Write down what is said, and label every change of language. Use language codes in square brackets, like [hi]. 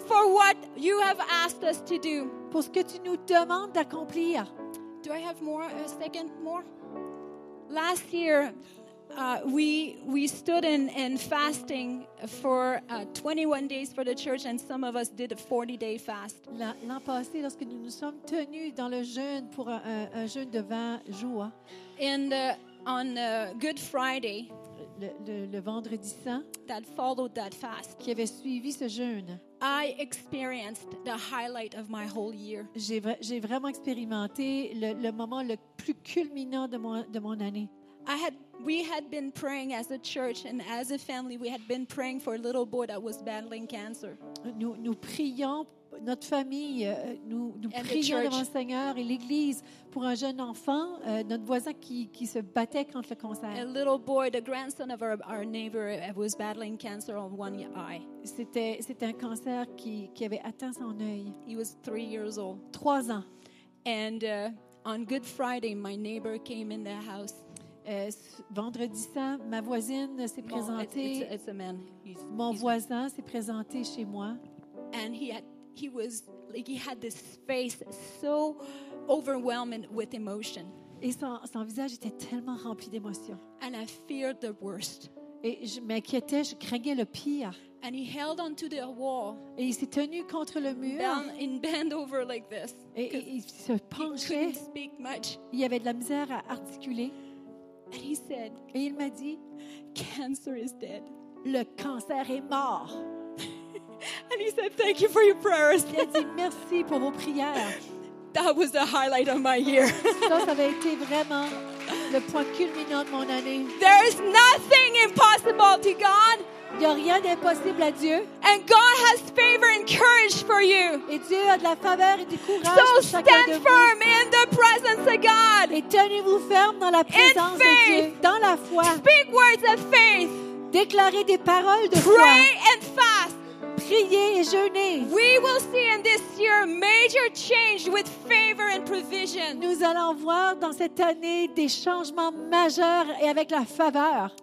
[en] For what you have asked us to do. [fr] Pour ce que tu nous demandes d'accomplir. [en] Do I have more? A second more? Last year, we stood in fasting for 21 days for the church, and some of us did a 40-day fast. [fr] L'an passé, lorsque nous nous sommes tenus dans le jeûne pour un jeûne de 20 jours. [en] And on Good Friday. [fr] Le vendredi saint. [en] That followed that fast. [fr] Qui avait suivi ce jeûne. [en] I experienced the highlight of my whole year. [fr] J'ai vraiment expérimenté le moment le plus culminant de mon année. [en] We had been praying as a church and as a family, we had been praying for a little boy that was battling cancer. [fr] Nous prions notre famille, nous prions devant le Seigneur et l'Église pour un jeune enfant, notre voisin qui se battait contre le cancer. [en] A little boy, the grandson of our neighbor, was battling cancer on one eye. [fr] C'était un cancer qui avait atteint son œil. [en] He was 3 years old. [fr] 3 ans. [en] And on Good Friday, my neighbor came in the house. [fr] Vendredi saint, ma voisine s'est présentée. [en] It's a man. [fr] Mon voisin s'est présenté chez moi. [en] And he had this face so overwhelming with emotion. [fr] Et son visage était tellement rempli d'émotion. [en] And I feared the worst. [fr] Et je m'inquiétais, je craignais le pire. [en] And he held onto the wall. [fr] Et il s'est tenu contre le mur. [en] In bend over like this. [fr] Et il se penchait. [en] He couldn't speak much. [fr] Il avait de la misère à articuler. [en] And he said, [fr] et il m'a dit, [en] cancer is dead. [fr] Le cancer est mort. [en] And he said, "Thank you for your prayers." [fr] Il a dit merci pour vos prières. [en] That was the highlight of my year. [fr] Ça, ça avait été vraiment le point culminant de mon année. [en] There is nothing impossible to God. [fr] Il y a rien d'impossible à Dieu. [en] And God has favor and courage for you. [fr] Et Dieu a de la faveur et du courage [en] so [fr] pour chacun de vous. [en] So stand firm in the presence of God. [fr] Et tenez-vous ferme dans la présence de Dieu, dans la foi. [en] Speak words of faith. [fr] Déclarez des paroles de [en] Pray [fr] foi. [en] Pray and fast. [fr] Priez et jeûnez. [en] We will see in this year major change with favor and provision. [fr] Nous allons voir dans cette année des changements majeurs et avec la faveur.